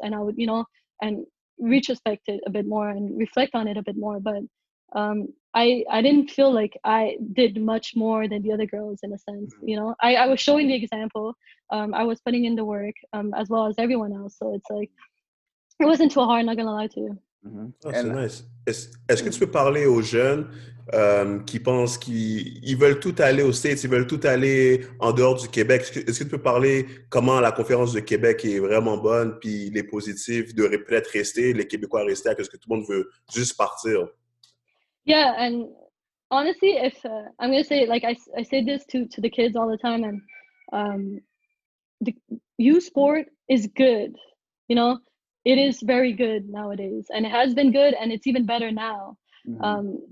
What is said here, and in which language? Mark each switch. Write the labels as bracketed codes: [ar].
[en] And I would, you know, and retrospect it a bit more and reflect on it a bit more, but I didn't feel like I did much more than the other girls in a sense. You know, I was showing the example. I was putting in the work as well as everyone else. So it's like, it wasn't too hard, not gonna lie to you. [fr] Mm-hmm. Oh, c'est nice. Est-ce que tu peux parler aux jeunes qui pensent qu'ils veulent tout aller aux States, ils veulent tout aller en dehors du Québec? Est-ce que tu peux parler comment la conférence de Québec est vraiment bonne, puis les positifs de peut-être rester, les Québécois rester, parce que tout le monde veut juste partir? [en] Yeah, and honestly, if I'm gonna say, like, I say this to the kids all the time, and the youth sport is good, you know. It is very good nowadays, and it has been good, and it's even better now. Mm-hmm.